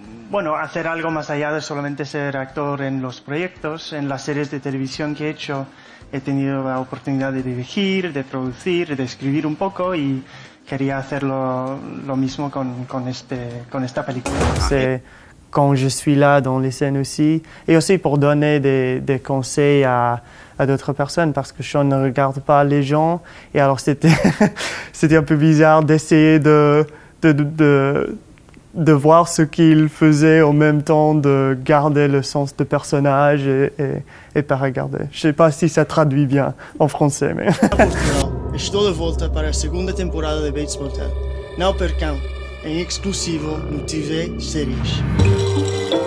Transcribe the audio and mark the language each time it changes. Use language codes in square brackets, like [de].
[es] Bueno, hacer algo más allá de solamente ser actor en los proyectos, en las series de televisión que he hecho. He tenido la oportunidad de dirigir, de producir, de escribir un poco y quería hacer lo mismo con esta película. [fr] C'est... quand je suis là dans les scènes aussi, et aussi pour donner des conseils à d'autres personnes, parce que Sean ne regarde pas les gens, et alors c'était un peu bizarre d'essayer de voir ce qu'il faisait en même temps, de garder le sens de personnage et pas regarder. Je ne sais pas si ça traduit bien en français, mais... [pt] Estou de volta para a segunda temporada de Bates Motel. Não percam. Em exclusivo no TV Series.